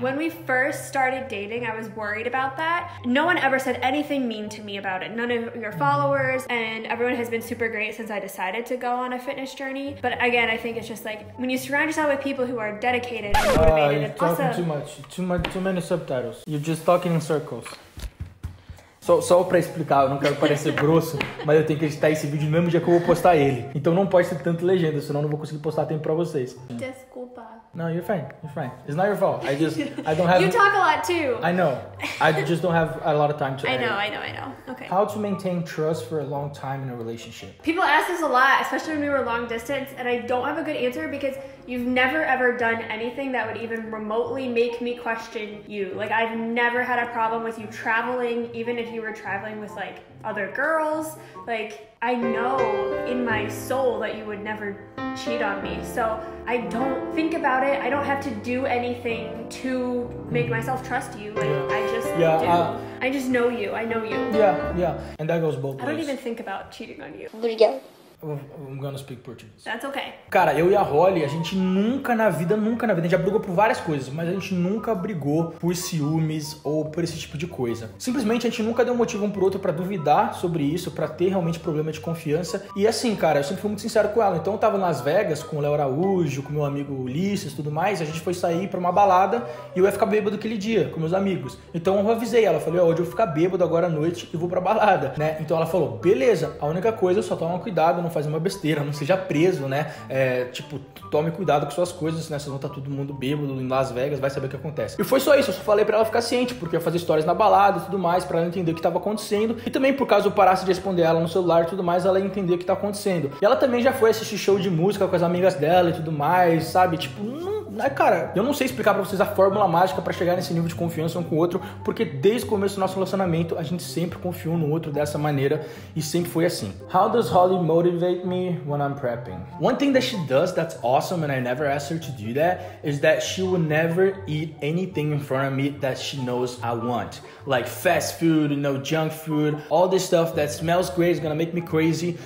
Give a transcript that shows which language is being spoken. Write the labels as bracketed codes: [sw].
[en] When we first started dating, I was worried about that. No one ever said anything mean to me about it. None of your followers, and everyone has been super great since I decided to go on a fitness journey. But again, I think it's just like when you surround yourself with people who are dedicated and motivated. You're talking too much. Too many subtitles. You're just talking in circles. [pt] Só pra explicar, eu não quero parecer grosso, mas eu tenho que editar esse vídeo no mesmo dia que eu vou postar ele. Então não pode ser tanto legenda, senão eu não vou conseguir postar tempo pra vocês. Desculpa. [en] No, you're fine. It's not your fault. I don't have... You talk a lot too. I know. I just don't have a lot of time to edit. I know. Okay. How to maintain trust for a long time in a relationship? People ask this a lot, especially when we were long distance, and I don't have a good answer because you've never ever done anything that would even remotely make me question you. Like, I've never had a problem with you traveling, even if you were traveling with like other girls. Like, I know in my soul that you would never cheat on me. So I don't think about it. I don't have to do anything to make myself trust you. Like, I just do. I just know you. I know you. Yeah. And that goes both ways. I don't even think about cheating on you. There you go. I'm gonna speak Portuguese. That's okay. [pt] Cara, eu e a Holly, a gente nunca na vida, a gente já brigou por várias coisas, mas a gente nunca brigou por ciúmes ou por esse tipo de coisa. Simplesmente, a gente nunca deu motivo um pro outro pra duvidar sobre isso, pra ter realmente problema de confiança. E assim, cara, eu sempre fui muito sincero com ela. Então, eu tava em Las Vegas com o Léo Araújo, com o meu amigo Ulisses e tudo mais, e a gente foi sair pra uma balada e eu ia ficar bêbado aquele dia com meus amigos. Então, eu avisei ela, falei, ó, hoje eu vou ficar bêbado agora à noite e vou pra balada, né? Então, ela falou, beleza, a única coisa é só tomar cuidado, não fazer uma besteira, não seja preso, né? É, tipo, tome cuidado com suas coisas, né? Senão tá todo mundo bêbado em Las Vegas, vai saber o que acontece. E foi só isso, eu só falei pra ela ficar ciente, porque ia fazer histórias na balada e tudo mais, pra ela entender o que tava acontecendo. E também, por causa eu parasse de responder ela no celular e tudo mais, ela ia entender o que tá acontecendo. E ela também já foi assistir show de música com as amigas dela e tudo mais, sabe? Tipo, cara, eu não sei explicar pra vocês a fórmula mágica pra chegar nesse nível de confiança um com o outro, porque desde o começo do nosso relacionamento, a gente sempre confiou no outro dessa maneira e sempre foi assim. [en] How does Holly motivate me when I'm prepping? One thing that she does that's awesome and I never asked her to do that is that she will never eat anything in front of me that she knows I want. Like fast food, you know, junk food, all this stuff that smells great, is gonna make me crazy.